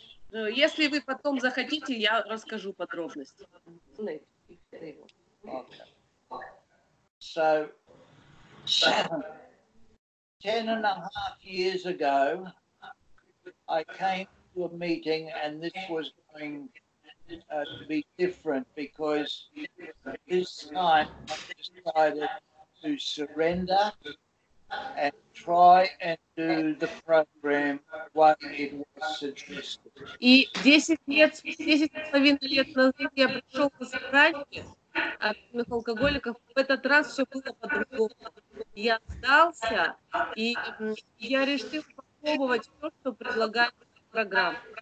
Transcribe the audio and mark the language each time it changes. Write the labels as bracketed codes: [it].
[ru] Если вы потом захотите, я расскажу подробности. [en] So 10 and a half years ago, I came to a meeting, and this was going to be different because this time I decided to surrender and try and do the program what it was suggested. [ru] И 10 лет, 10 с половиной лет назад я пришел по собранию анонимных алкоголиков. В этот раз все было по-другому. Я сдался, и я решил попробовать то, что предлагает программа.